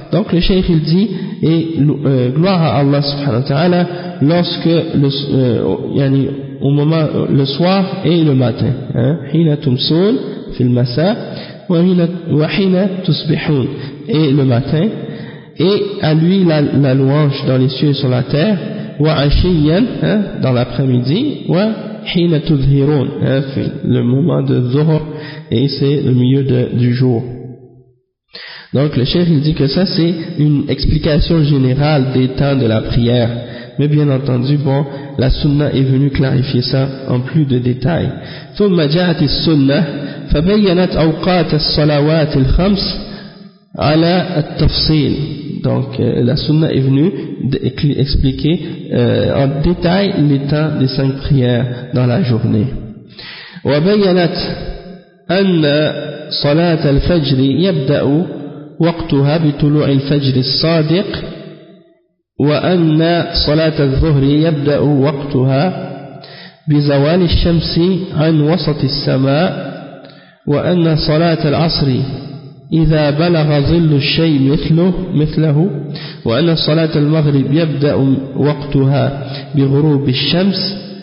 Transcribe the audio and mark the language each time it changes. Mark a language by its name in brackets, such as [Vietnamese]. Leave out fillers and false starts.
[French] Donc le cheikh il dit, et gloire à Allah subhanahu wa ta'ala lorsque au moment le soir et le matin, [Arabic] hina tumsun fil masa wa hina tusbihun, [French] et le matin, et à lui la louange dans les cieux et sur la terre, [Arabic] wa ashiyan [French] dans l'après-midi, [Arabic] wa hina tuzhirun [French] le moment de zuhr, et c'est le milieu du jour. Donc le cheikh il dit que ça c'est une explication générale des temps de la prière, mais bien entendu bon, la sunna est venue clarifier ça en plus de détails. [Arabic] ثم جاءت السنة فبينت أوقات الصلوات الخمس على التفصيل. [French] Donc la sunna est venue expliquer en détail les temps des cinq prières dans la journée. [Arabic] وبينت أن صلاة الفجر يبدأ وقتها بطلوع الفجر الصادق وأن صلاة الظهر يبدأ وقتها بزوال الشمس عن وسط السماء وأن صلاة العصر إذا بلغ ظل الشيء مثله وأن صلاة المغرب يبدأ وقتها بغروب الشمس